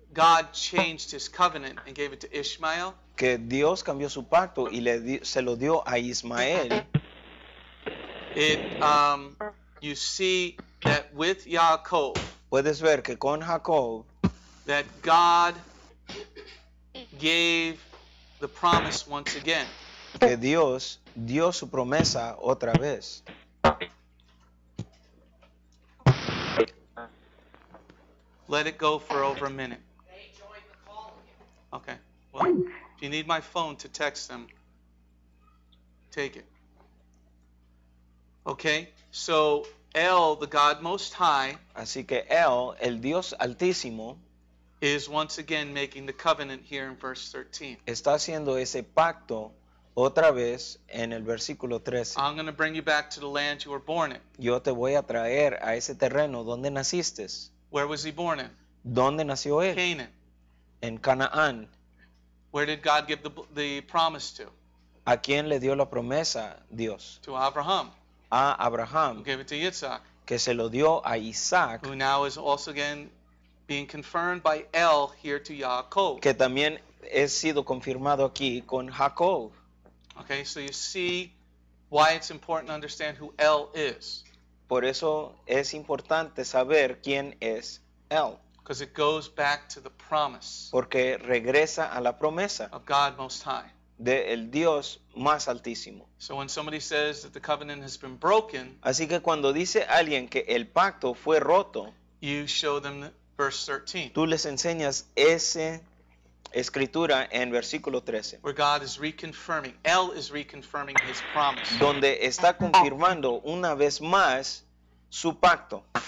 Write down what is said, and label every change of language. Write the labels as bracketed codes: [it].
[en] God changed his covenant and gave it to Ishmael. [es] Que Dios cambió su pacto y le di, se lo dio a Ismael. [en] It, you see that with Jacob. [es] Puedes ver que con Jacob. [en] That God gave the promise once again. [es] Que Dios dio su promesa otra vez. [en] Let it go for over a minute. Okay. Well, if you need my phone to text them, take it. Okay. So El, the God Most High. [es] Así que El, el Dios Altísimo. [en] Is once again making the covenant here in verse 13. [es] Está haciendo ese pacto otra vez en el versículo 13. [en] I'm going to bring you back to the land you were born in. [es] Yo te voy a traer a ese terreno donde naciste. [en] Where was he born in? [es] ¿Dónde nació él? [en] Canaan. [es] En Canaán. [en] Where did God give the promise to? [es] ¿A quién le dio la promesa Dios? [en] To Abraham. [es] A Abraham. [en] Who gave it to Isaac. [es] Que se lo dio a Isaac. [en] Who now is also again being confirmed by El here to Jacob. [es] Que también es sido confirmado aquí con Jacob. [en] Okay, so you see why it's important to understand who El is. [es] Por eso es importante saber quién es El. [en] Because it goes back to the promise. [es] Porque regresa a la promesa. [en] Of God Most High. [es] De el Dios más altísimo. [en] So when somebody says that the covenant has been broken. [es] Así que cuando dice alguien que el pacto fue roto. [en] You show them verse 13. [es] Tú les enseñas ese escritura en versículo 13. [en] Where God is reconfirming. El is reconfirming his promise. [es] Donde está confirmando una vez más su pacto.